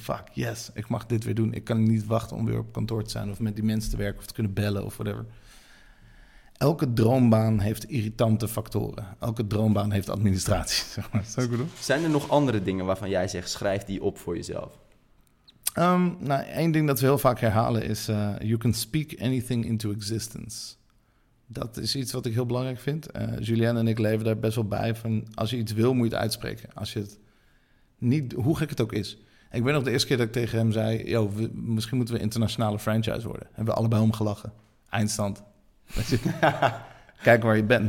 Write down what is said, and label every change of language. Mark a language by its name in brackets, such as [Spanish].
[Dutch] fuck, yes, ik mag dit weer doen. Ik kan niet wachten om weer op kantoor te zijn... of met die mensen te werken of te kunnen bellen of whatever. Elke droombaan heeft irritante factoren. Elke droombaan heeft administratie, zeg maar. Zou ik bedoel? Zijn er nog andere dingen waarvan jij zegt... schrijf die op voor jezelf? Eén ding dat we heel vaak herhalen is... [English] you can speak anything into existence. [Dutch] Dat is iets wat ik heel belangrijk vind. Julianne en ik leven daar best wel bij van... als je iets wil, moet je het uitspreken. Als je het niet... hoe gek het ook is. Ik weet nog de eerste keer dat ik tegen hem zei... yo, misschien moeten we internationale franchise worden. Hebben we allebei om gelachen. Eindstand. Kijk waar je bent.